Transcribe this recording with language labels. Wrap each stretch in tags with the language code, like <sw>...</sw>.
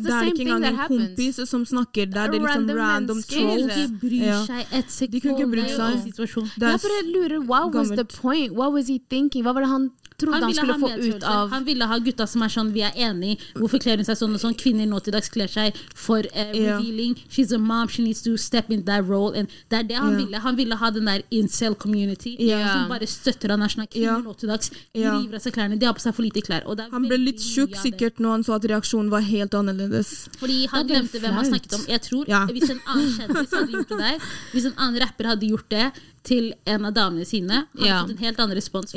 <no>det er ikke engang en kompis som snakker der, det er liksom random trolls. De kunne ikke bry seg et sekund. De kunne ikke bry seg. Jeg bare lurer, what was gammelt. The point?</no> <en>What was he thinking?</en> <no>Hva var det han trodde han skulle få ut av? Han ville ha gutta som sånn, vi enige. Hvorfor klær hun seg sånn og sånn? Kvinner nå til dags klær seg for revealing.</no> <en>Yeah. She's a mom, she needs to step in that role.</en> <no>And det det han ville. Han ville ha den der incel community, som bare støtter han, er sånn at kvinner nå til dags, river av seg klærne, de har på seg for lite klær. Han ble litt sjukk sikkert når han sa at reaksjonen var helt annerledes. Fordi han glemte hvem han snakket om. Jeg tror, hvis en annen kjendis hadde gjort det der, hvis en annen rapper hadde gjort det til en av damene sine, hadde fått en helt annen respons.</no>